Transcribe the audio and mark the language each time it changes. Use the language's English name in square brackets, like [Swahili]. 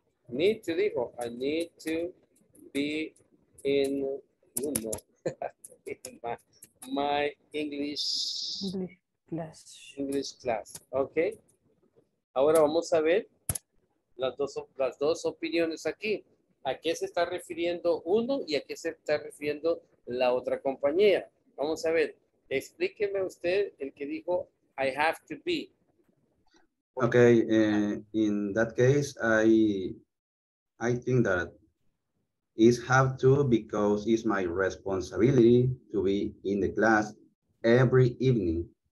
[English] I need to be in, you know, my English class. Okay. [Spanish] Ahora vamos a ver las dos opiniones aquí. ¿A qué se está refiriendo uno y a qué se está refiriendo la otra compañía? Vamos a ver. Explíqueme usted el que dijo [English] I have to be. Okay, in that case, I think that it's have to because it's my responsibility to be in the class every evening.